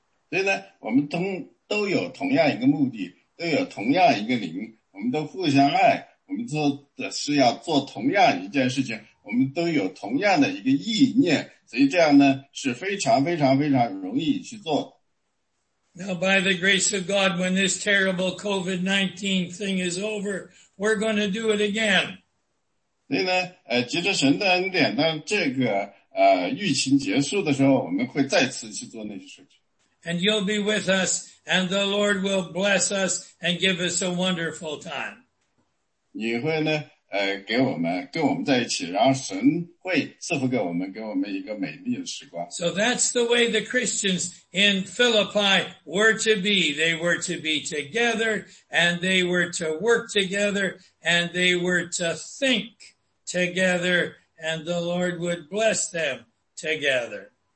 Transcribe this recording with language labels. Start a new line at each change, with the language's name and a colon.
Chinese: 所以呢，我们都有同样一个目的，都有同样一个灵，我们都互相爱，我们做的是要做同样一件事情，我们都有同样的一个意念，所以这样呢是非常非常非常容易去做。Now,
English: by the grace of God, when this terrible COVID-19 thing is over, we're going to do it again.
Chinese: 所以呢，藉着神的恩典，当这个疫情结束的时候，我们会再次去做那些事情。
English: and you'll be with us, and the Lord will bless us and give us a wonderful time.
Chinese: 你会呢，给我们在一起，然后神会赐福给我们，给我们一个美丽的时光。
English: So that's the way the Christians in Philippi were to be. They were to be together, and they were to work together, and they were to think together, and the Lord would bless them together.